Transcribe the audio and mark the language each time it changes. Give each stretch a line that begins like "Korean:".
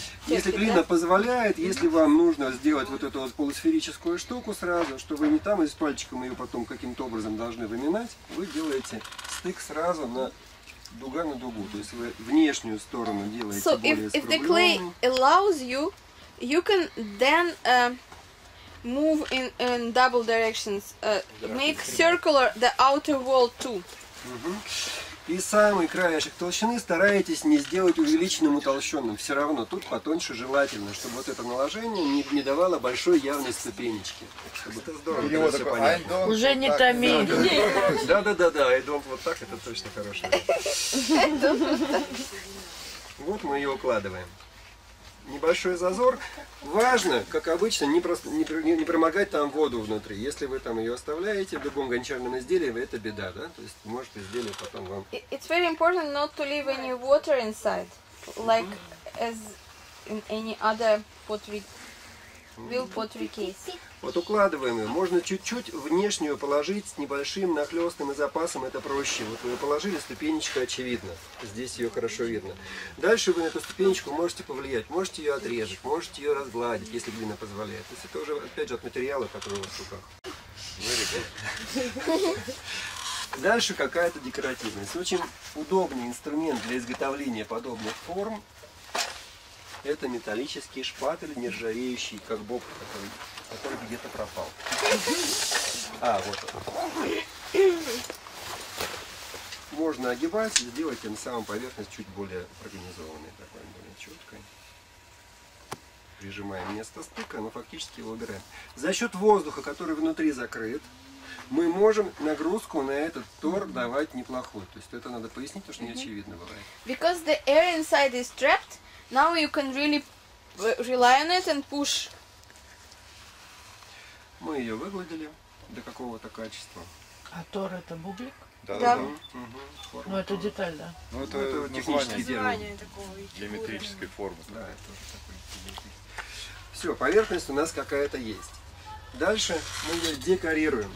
Russian: Если глина позволяет, если вам нужно сделать вот эту вот полусферическую штуку сразу, чтобы не там и с пальчиком ее потом каким-то образом должны выминать, вы делаете стык сразу на дуга на дугу. То есть вы внешнюю сторону делаете
English: so
Russian: более скругленную.
English: If the clay allows you, you can then... move in double directions, make circular the outer wall too.
Russian: И самый краешек толщины стараетесь не сделать увеличенным, утолщенным. Все равно тут потоньше желательно, чтобы вот это наложение не давало большой явной ступенечки. Чтобы это здорово, все понятно. Уже не томи. Да,
English: I don't
Russian: вот так, это точно хорошо. Вот мы ее укладываем. Небольшой зазор. Важно, как обычно, не промокать там воду внутри. Если вы там ее оставляете в любом гончарном изделии, это беда, да? То есть может изделие потом вам.
English: It's very important not to leave any water inside, like as in any other pottery case.
Russian: Вот укладываем ее. Можно чуть-чуть внешнюю положить с небольшим нахлестным и запасом, это проще. Вот вы ее положили, ступенечка очевидна. Здесь ее хорошо видно. Дальше вы на эту ступенечку можете повлиять. Можете ее отрезать, можете ее разгладить, если глина позволяет. То есть это уже, опять же, от материала, который у вас в руках. Дальше какая-то декоративность. Очень удобный инструмент для изготовления подобных форм. Это металлический шпатель, нержавеющий, как боб, который где-то пропал. А, вот он. Можно огибать, сделать тем самым поверхность чуть более организованной, такой более четкой. Прижимаем место стыка, но фактически его убираем. За счет воздуха, который внутри закрыт, мы можем нагрузку на этот тор давать неплохую. То есть это надо пояснить, потому что не очевидно бывает.
English: Because the air inside is trapped, now you can really rely on it and push.
Russian: Мы ее выгладили до какого-то качества. А тор это бублик? Да. Да. Ну это деталь, да? Ну это технический название такого типа. Геометрической формы. Да, это такой. Все, поверхность у нас какая-то есть. Дальше мы ее декорируем.